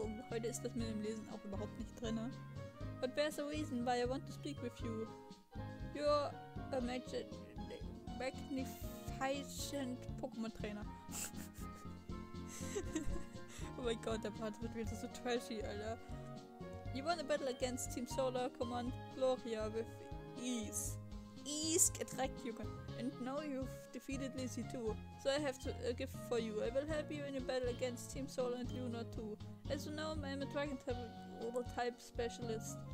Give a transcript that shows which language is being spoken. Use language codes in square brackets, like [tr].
[de] Heute ist das mit dem Lesen auch überhaupt nicht drin. [en] But there's a reason why I want to speak with you. You're a magnificent Pokémon Trainer. [de] Oh mein Gott, der Part wird wieder so trashy, Alter. [en] You won a battle against Team Solar Command Gloria with ease. Ease, get wrecked, you can. And now you've defeated Lizzie too. So I have to give for you. I will help you in your battle against Team Solar and Luna too. As you know, I'm a Dragon type Water type specialist.